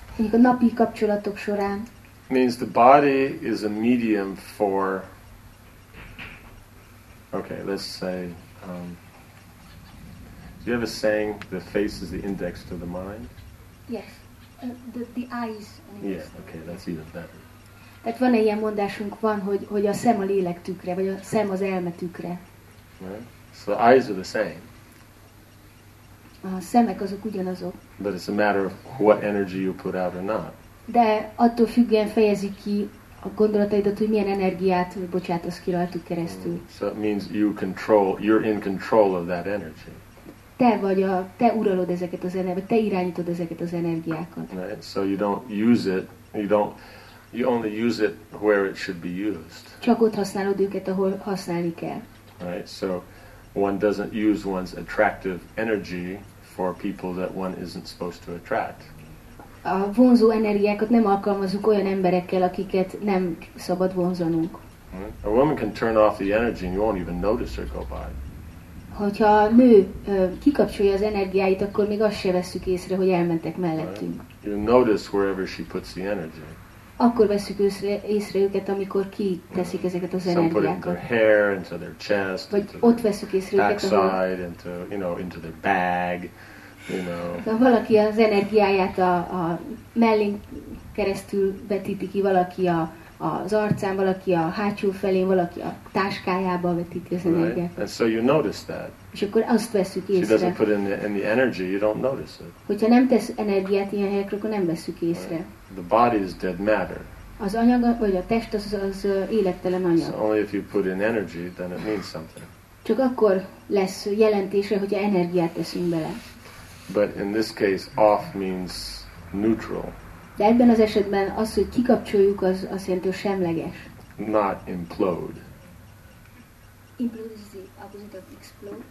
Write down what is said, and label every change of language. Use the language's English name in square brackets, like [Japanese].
[Hungarian] Mondjuk a napi kapcsolatok során. [English] Means the body is a medium for. Okay, let's say. Do you have a saying, the face is the index to the mind? Yes. The eyes. Yeah, okay, that's even better. [Hungarian] Tehát van ilyen mondásunk, van, hogy a szem a lélek tükre, vagy a szem az elme tükre. [English] Right? So the eyes are the same. [Hungarian] A szemek azok ugyanazok. [English] But it's a matter of what energy you put out or not. [Hungarian] De attól függően fejezi ki a gondolataidat, hogy milyen energiát bocsátasz ki rajtuk keresztül. [English] So it means you control, you're in control of that energy. [Hungarian] Te uralod ezeket az energiákat, te irányítod ezeket az energiákat. [English] Right. So you don't use it, you only use it where it should be used. [Hungarian] Csak ott használod őket, ahol használni kell. [English] Right. So one doesn't use one's attractive energy for people that one isn't supposed to attract. [Hungarian] A vonzó energiákat nem alkalmazunk olyan emberekkel, akiket nem szabad vonzanunk. [English] A woman can turn off the energy and you won't even notice her go by. [Hungarian] Hogyha a nő kikapcsolja az energiáit, akkor még azt se vesszük észre, hogy elmentek mellettünk. [English] Right. You notice wherever she puts the energy. [Hungarian] Akkor veszük észre őket, amikor kiteszik ezeket az energiákat. [English] Some put it in their hair, into their chest, [Hungarian] vagy [English] into [Hungarian] ott veszük észre őket, [English] backside, into, you know, into their bag, you know. [Hungarian] Ha valaki az energiáját a mellén keresztül vetíti ki, valaki a az arcán, valaki a hátsó felén, valaki a táskájába vetíti az energiát. [English] Right. And so you notice that. [Hungarian] És akkor azt veszük észre. [English] She doesn't put in the energy, you don't notice it. [Hungarian] Hogyha nem tesz energiát ilyen helyekre, akkor nem veszük észre. [English] Right. The body is dead matter. [Hungarian] Az anyag, vagy a test az élettelen anyag. [English] So only if you put in energy, then it means something. [Hungarian] Csak akkor lesz jelentésre, hogyha energiát teszünk bele. [English] But in this case, off means neutral. [Hungarian] De ebben az esetben az, hogy kikapcsoljuk, az azt jelenti, hogy semleges. [English] Not implode. Implode is the opposite of explode.